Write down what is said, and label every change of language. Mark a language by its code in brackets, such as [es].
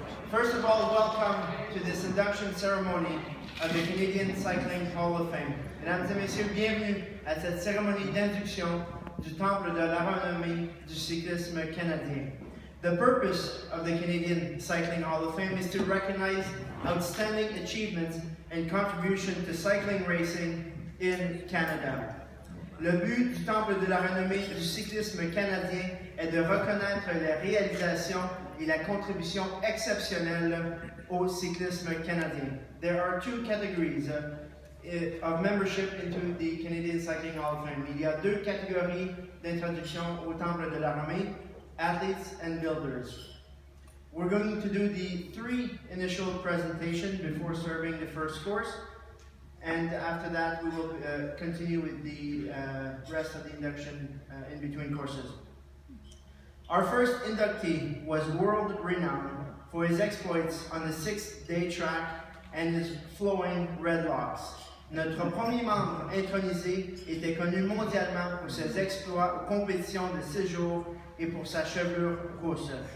[en] First of all, welcome to this induction ceremony of the Canadian Cycling Hall of Fame. [fr] Mesdames et messieurs, bienvenue à cette cérémonie d'induction du Temple de la renommée du cyclisme canadien. [en] The purpose of the Canadian Cycling Hall of Fame is to recognize outstanding achievements and contribution to cycling racing in Canada. [fr] Le but du Temple de la renommée du cyclisme canadien est de reconnaître les réalisations et la contribution exceptionnelle au cyclisme canadien. [en] There are two categories of membership into the Canadian Cycling Hall of Fame. [fr] Il y a deux catégories d'introduction au Temple de la renommée, [en] athletes and builders. We're going to do the three initial presentations before serving the first course. And after that, we will continue with the rest of the induction in between courses. Our first inductee was world renowned for his exploits on the six-day track and his flowing red locks. [fr] Notre premier membre intronisé était connu mondialement pour ses exploits aux compétitions de six jours et pour sa chevelure rousse.